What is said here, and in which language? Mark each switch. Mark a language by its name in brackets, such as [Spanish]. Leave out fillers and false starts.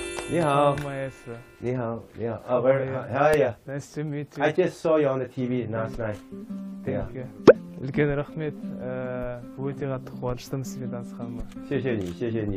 [Chinese] 你好，你好，你好，啊，不是 ， [English] How are you？ Nice to meet you. I just saw you on the TV last night. Thank you. [Chinese] 谢谢，谢谢你，谢谢你，谢谢。